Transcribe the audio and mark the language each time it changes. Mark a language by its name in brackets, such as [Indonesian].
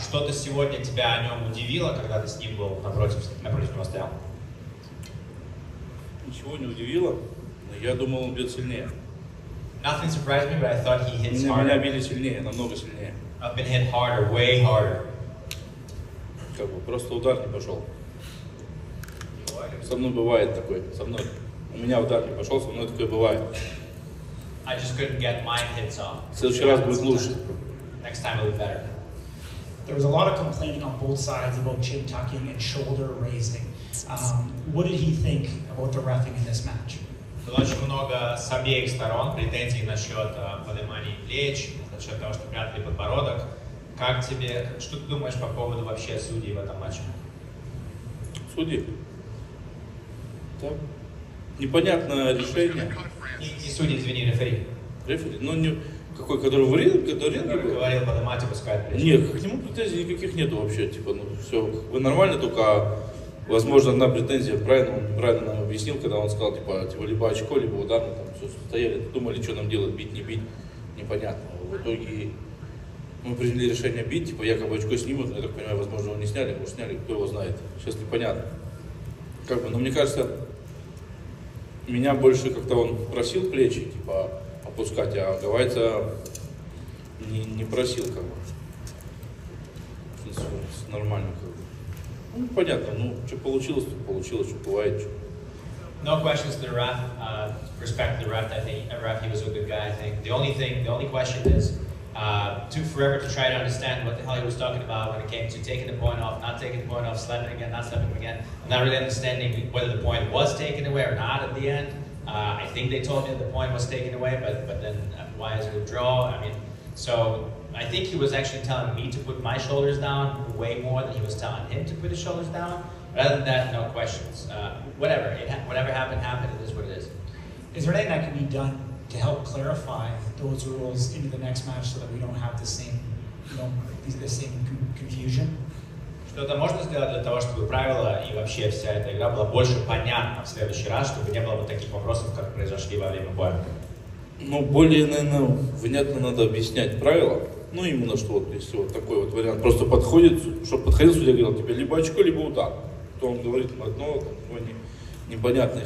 [Russian] Что-то сегодня тебя о нем удивило, когда ты с ним был напротив него стоял? Ничего не удивило, но я думал, он бьет сильнее. [English] Nothing surprised me, but I thought he hits harder. [Russian] Меня били сильнее, намного сильнее. [English] I've been hit harder, way harder. [Russian] Как бы просто удар не пошел. Со мной бывает такой, со мной. У меня удар не пошел, со мной такое бывает. [English] I just couldn't get my hits off. [Russian] В следующий раз будет лучше. [English] Next time it'll be better. There was a lot of complaining on both sides about chin tucking and shoulder raising. What did he think about the reffing in this match? [Russian] Было очень много с обеих сторон претензий насчет поднимания плеч, насчет того, что прятали подбородок. Как тебе, что ты думаешь по поводу вообще судей в этом матче? Судьи? Так. Непонятное решение. И судьи, извини, рефери. Рефери? Ну, не, какой, который в ринге? Который говорил поднимать и пускать плечи. Нет, к нему претензий никаких нету вообще. Типа, ну, все, вы нормально, только, возможно, одна претензия. Правильно объяснил, когда он сказал, типа, либо очко, либо удар. Мы там все стояли, думали, что нам делать, бить, не бить. Непонятно. В итоге мы приняли решение бить, типа, якобы очко снимут. Я так понимаю, возможно, его не сняли, может, сняли, кто его знает. Сейчас непонятно. Как бы, но мне кажется, меня больше как-то он просил плечи, типа, опускать, а Гавайца не просил, как бы. Нормально, как бы. Ну, понятно, ну, что получилось, то получилось, что бывает, что. [English] No questions to the ref. Respect to the ref, I think. The ref, he was a good guy, I think. The only question is, took forever to try to understand what the hell he was talking about when it came to taking the point off, not taking the point off, slapping again, not slapping again. I'm not really understanding whether the point was taken away or not at the end. I think they told me the point was taken away, but then why is it a draw? I mean, so I think he was actually telling me to put my shoulders down way more than he was telling him to put his shoulders down. But other than that, no questions. Whatever, whatever happened, happened. It is what it is. Is there anything that can be done to help clarify those rules into the next match, so that we don't have the same, you know, the same confusion. [Russian] Что-то можно сделать для того, чтобы правила и вообще вся эта игра была больше понятна в следующий раз, чтобы не было вот таких вопросов, как произошли во время боя. Ну, более, наверное, внятно надо объяснять правила. Ну, именно что вот если вот такой вот вариант просто подходит, чтобы подходил судья, говорил тебе либо очко, либо удар, то он говорит одно, там другое непонятное.